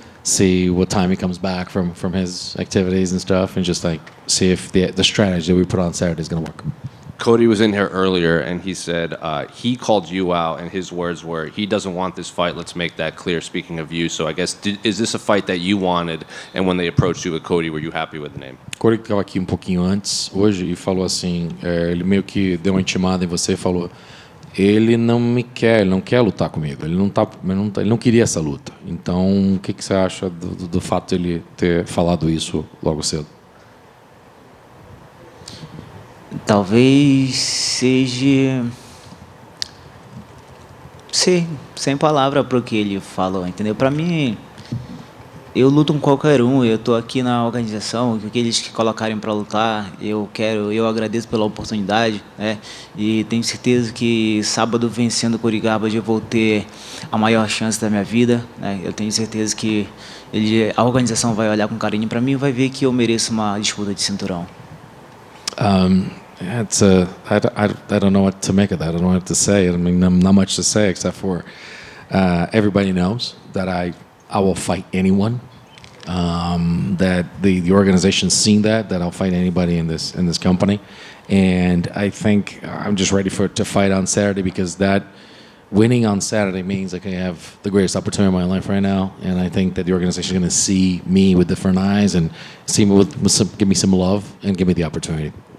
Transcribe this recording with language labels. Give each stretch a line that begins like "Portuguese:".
English: See what time he comes back from his activities and stuff, and just like see if the strategy that we put on Saturday is going to work. Cody was in here earlier, and he said he called you out, and his words were, he doesn't want this fight. Let's make that clear, speaking of you. So I guess, is this a fight that you wanted? And when they approached you with Cody, were you happy with the name?
Portuguese: Cody estava aqui pouquinho antes hoje e falou assim, ele meio que deu uma intimada em você e falou, ele não me quer, ele não quer lutar comigo, ele não queria essa luta. Então, o que você acha do fato de ele ter falado isso logo cedo? Talvez seja... Sim, sem palavra para o que ele falou, entendeu? Para mim, eu luto com qualquer um, eu estou aqui na organização, aqueles que colocarem para lutar, eu agradeço pela oportunidade, né? E tenho certeza que sábado vencendo o Curigaba eu vou ter a maior chance da minha vida, né? Eu tenho certeza que a organização vai olhar com carinho para mim e vai ver que eu mereço uma disputa de cinturão.
English: I don't know what to make of that. I don't know what to say. I mean, not much to say except for everybody knows that I will fight anyone. That the organization's seen that I'll fight anybody in this company, and I think I'm just ready to fight on Saturday, because that winning on Saturday means like I have the greatest opportunity in my life right now, and I think that the organization is going to see me with different eyes and see me with some, give me some love and give me the opportunity.